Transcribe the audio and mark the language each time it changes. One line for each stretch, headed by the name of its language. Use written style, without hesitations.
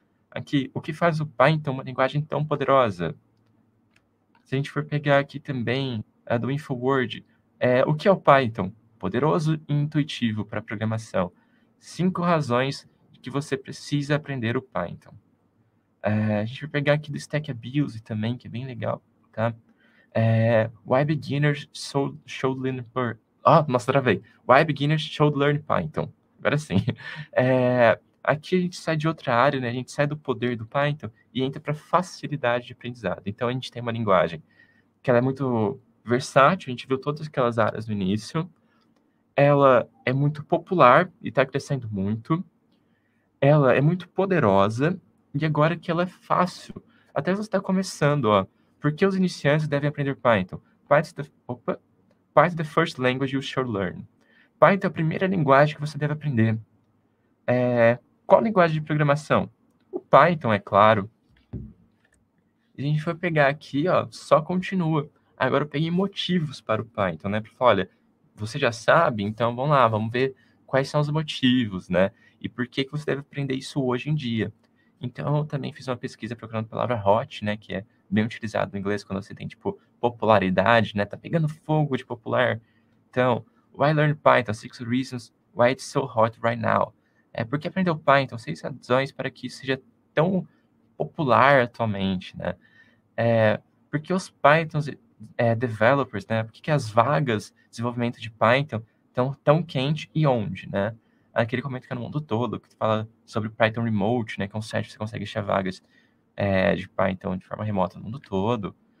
Portuguese: Aqui, o que faz o Python uma linguagem tão poderosa? Se a gente for pegar aqui também a do InfoWord, o que é o Python? Poderoso e intuitivo para programação. Cinco razões que você precisa aprender o Python. A gente vai pegar aqui do Stack Abuse também, que é bem legal, tá?
English: Why beginners should learn Python?
Portuguese: Ah, nossa, travei.
English: Why beginners should learn Python?
Portuguese: Agora sim. Aqui a gente sai de outra área, né? A gente sai do poder do Python e entra para facilidade de aprendizado. Então a gente tem uma linguagem que ela é muito versátil. A gente viu todas aquelas áreas no início. Ela é muito popular e está crescendo muito. Ela é muito poderosa. E agora que ela é fácil. Até você está começando, ó. Por que os iniciantes devem aprender Python?
English: Opa. Python is the first language you should learn.
Portuguese: Python é a primeira linguagem que você deve aprender. Qual a linguagem de programação? O Python, é claro. A gente foi pegar aqui, ó. Só continua. Agora eu peguei motivos para o Python, né? Olha. Você já sabe? Então vamos lá, vamos ver quais são os motivos, né? E por que que você deve aprender isso hoje em dia? Então eu também fiz uma pesquisa procurando a palavra hot, né? Que é bem utilizado no inglês quando você tem, tipo, popularidade, né? Tá pegando fogo de popular. Então,
English: why learn Python? Six reasons why it's so hot right now.
Portuguese: Por que aprender o Python? Seis razões para que isso seja tão popular atualmente, né? Por que os Pythons. Developers, né? Por que que as vagas de desenvolvimento de Python estão tão quente e onde, né? Aquele comentário que é no mundo todo, que fala sobre Python Remote, né? Que é um site que você consegue achar vagas de Python de forma remota no mundo todo.